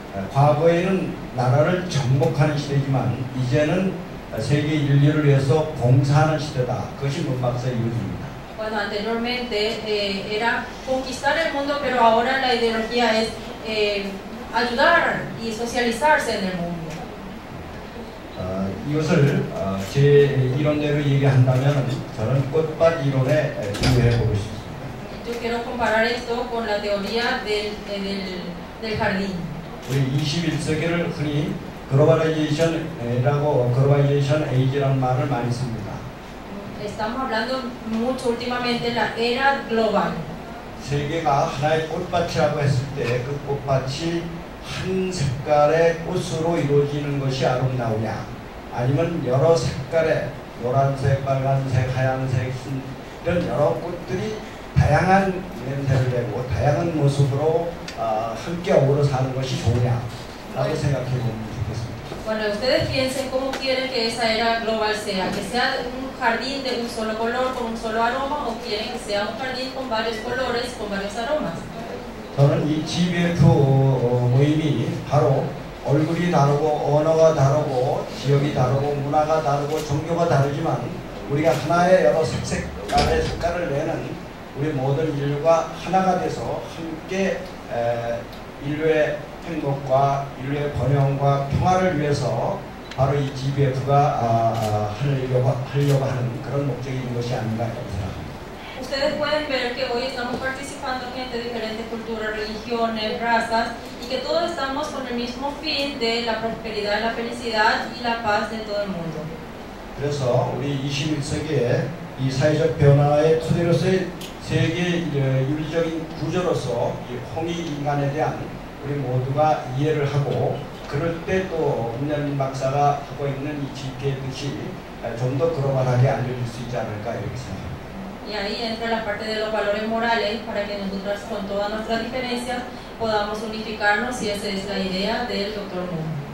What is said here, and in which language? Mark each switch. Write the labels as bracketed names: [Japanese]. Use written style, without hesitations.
[Korean] 과거에는 나라를 정복하는 시대지만 이제는 세계 인류를 위해서 봉사하는 시대다. 그것이 문 박사의 이유입니다. [Spanish] Bueno, anteriormente era conquistar el mundo, pero ahora la ideología es ayudar y socializarse en el mundo. [Korean] 이것을 제 이론대로 얘기한다면 저는 꽃밭 이론에 비유해 보고 싶습니다. [Spanish] Yo quiero comparar esto con la teoría del jardín. [Korean] 우리 21세기를 흔히 Globalization이라고 globalization age라는 말을 많이 씁니다. [Spanish] Estamos hablando mucho últimamente de la era global. [Korean] 세계가 하나의 꽃밭이라고 했을 때 그 꽃밭이 한 색깔의 꽃으로 이루어지는 것이 아름다우냐 아니면 여러 색깔의 노란색, 빨간색, 하얀색 이런 여러 꽃들이 다양한 냄새를 내고 다양한 모습으로 함께 어우러 사는 것이 좋으냐 라고 생각해 봅니다. [Spanish] Bueno, ustedes piensen cómo quieren que esa era global sea, que sea un jardín de un solo color con un solo aroma o quieren que sea un jardín con varios colores con varios aromas. [Korean] 저는 이 GBF 모임이 바로 얼굴이 다르고 언어가 다르고 지역이 다르고 문화가 다르고 종교가 다르지만 우리가 하나의 여러 색깔의 색깔을 내는 우리 모든 인류가 하나가 돼서 함께 인류의 행복과 인류의 번영과 평화를 위해서 바로 이 GBF가 하려고 하는 그런 목적이 있는 것이 아닌가 합니다. [Spanish] Ustedes pueden ver que hoy estamos participando gente de diferentes culturas, religiones, razas y que todos estamos con el mismo fin de la prosperidad, la felicidad y la paz de todo el mundo. [Korean] 그래서 우리 21세기에 이 사회적 변화의 토대로서의 세계 윤리적인 구조로서 이 홍익 인간에 대한 우리 모두가 이해를 하고 그럴 때 또 문현민 박사가 하고 있는 이 집계 뜻이 좀 더 글로벌하게 알려질 수 있지 않을까 이렇게 생각합니다. [Spanish] Y ahí entra la parte de los valores morales para que nosotros con todas nuestras diferencias podamos unificarnos y esa es la idea del doctor Moon.